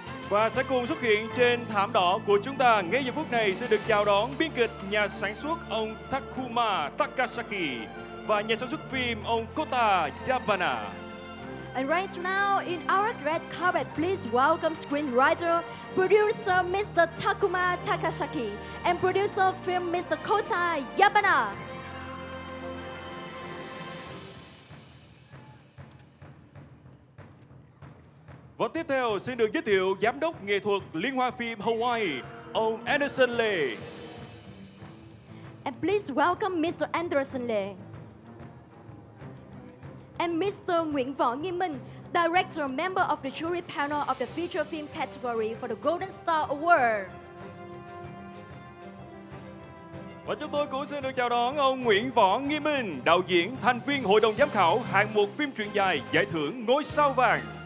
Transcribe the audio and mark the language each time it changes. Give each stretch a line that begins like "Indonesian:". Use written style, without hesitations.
Vietnamese: Và sẽ cùng xuất hiện trên thảm đỏ của chúng ta ngay giây phút này sẽ được chào đón biên kịch, nhà sản xuất ông Takuma Takasaki và nhà sản xuất phim ông Kota Yabana.
English: And right now in our red carpet, please welcome screenwriter, producer Mr. Takuma Takasaki and producer of film Mr. Kota Yabana.
Vietnamese: Và tiếp theo xin được giới thiệu giám đốc nghệ thuật liên hoan phim Hawaii, ông Anderson Lee.
English: And please welcome Mr. Anderson Lee. And Mr. Nguyễn Võ Nghiêm Minh, director member of the jury panel of the feature film category for the Golden Star Award.
Vietnamese: Và chúng tôi cũng xin được chào đón ông Nguyễn Võ Nghiêm Minh, đạo diễn, thành viên hội đồng giám khảo hạng mục phim truyện dài giải thưởng Ngôi Sao Vàng.